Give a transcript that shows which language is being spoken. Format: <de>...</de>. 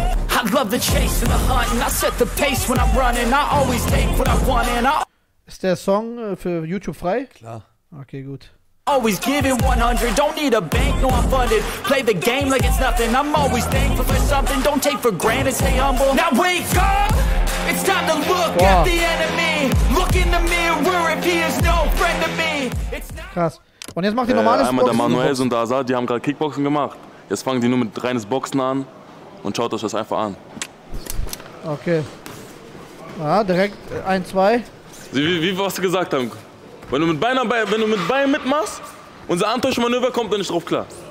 <en>I love the chase and the hunt, and I set the pace when I'm running. I always take what I want, and I.</en> <de>Ist der Song für YouTube frei? Klar. Okay, gut.</de> <en>Always giving 100, don't need a bank, no I'm funded. Play the game like it's nothing. I'm always thankful for something. Don't take for granted, stay humble. Now wake up! It's time to look at the enemy. Look in the mirror if he is no friend to me.</en> <de>Krass. Und jetzt macht ihr normales Boxen. Einmal der Manuel und der Azad, die haben gerade Kickboxen gemacht. Jetzt fangen die nur mit reines Boxen an und schaut euch das einfach an. Okay. Ja, direkt 1-2. Wie wir was gesagt haben. Wenn du mit Beinen dabei, wenn du mit Beinen mitmachst, unser Antäuschmanöver kommt dann nicht drauf klar.</de>